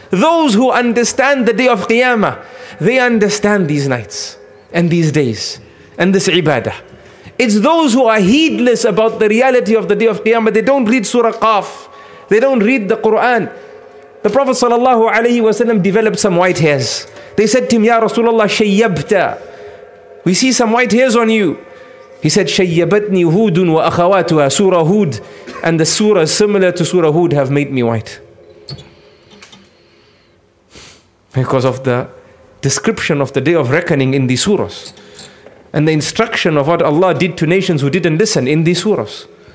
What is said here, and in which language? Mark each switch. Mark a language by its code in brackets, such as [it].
[en] Those who understand the day of Qiyamah, they understand these nights and these days and this ibadah. It's those who are heedless about the reality of the day of Qiyamah. They don't read Surah Qaf, they don't read the Quran. The Prophet sallallahu alayhi wa sallam developed some white hairs. They said to him, ya Rasulullah, shayyabta, we see some white hairs on you. [ar] He said, شَيَّبَتْنِي هُودٌ وَأَخَوَاتُهَا. [en] Surah Hud and the surah similar to Surah Hud have made me white. Because of the description of the day of reckoning in these surahs. And the instruction of what Allah did to nations who didn't listen in these surahs.